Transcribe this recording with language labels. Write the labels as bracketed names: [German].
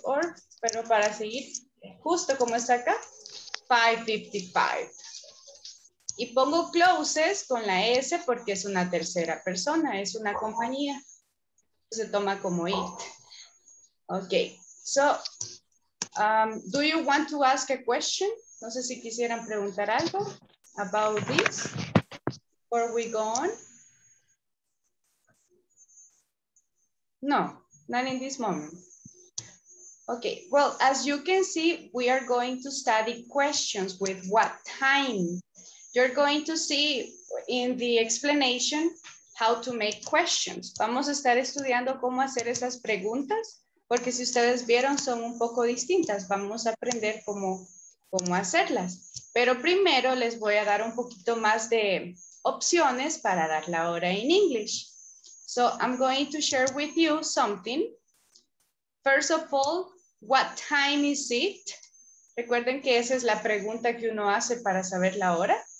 [English] Or, [Spanish] pero para seguir justo como está acá, 5:55. Y pongo closes con la S porque es una tercera persona, es una compañía. Se toma como it. Ok. [English] So, do you want to ask a question? [Spanish] No sé si quisieran preguntar algo [English] about this before we go on. No, not in this moment. Ok, well, as you can see, we are going to study questions with what time. You're going to see in the explanation how to make questions. [Spanish] Vamos a estar estudiando cómo hacer esas preguntas, porque si ustedes vieron, son un poco distintas. Vamos a aprender cómo, cómo hacerlas. Pero primero les voy a dar un poquito más de opciones para dar la hora [English] in English. So I'm going to share with you something. First of all, what time is it? [Spanish] Recuerden que esa es la pregunta que uno hace para saber la hora.